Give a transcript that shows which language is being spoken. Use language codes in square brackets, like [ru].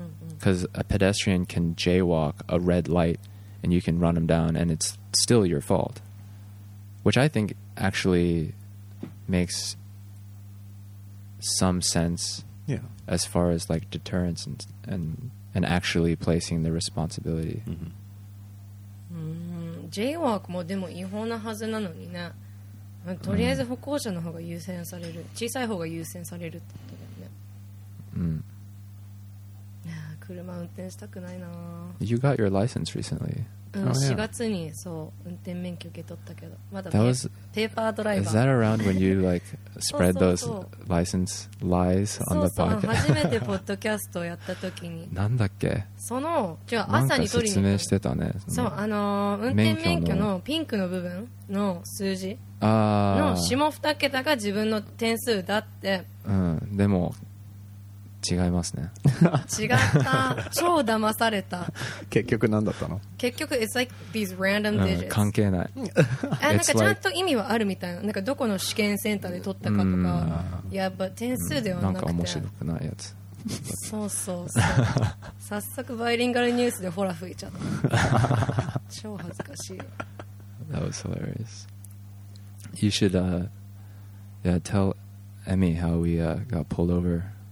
[en] Because a pedestrian can jaywalk a red light and you can run them down and it's still your fault. Which I think actually makes some sense. Yeah. As far as like deterrence and actually placing the responsibility. [ja] Jaywalk もでも違法なはずなのにね。とりあえず歩行者の方が優先される。小さい方が優先されるってことだよね。車運転したくないな。 [en] You got your license recently. [ja] 4月にそう運転免許受け取ったけど、まだペーパードライバー。 [en] Is that around when you like spread those license lies on the podcast? [ja] 初めてポッドキャストをやった時に。なんだっけ？その今日朝に取りに。説明してたね。そう運転免許のピンクの部分の数字の下2桁が自分の点数だって。でも。違いますね違った超騙された結局何だったの結局 [en] it's like these random digits、 [ja] 関係ないあなんかちゃんと意味はあるみたい なんかどこの試験センターで取ったかとかいやっぱ点数ではなくてなんか面白くないやつそうそうそう早速バイリンガルニュースでホラ吹いちゃった超恥ずかしい [en] That was hilarious You should tell Emmy how we got pulled over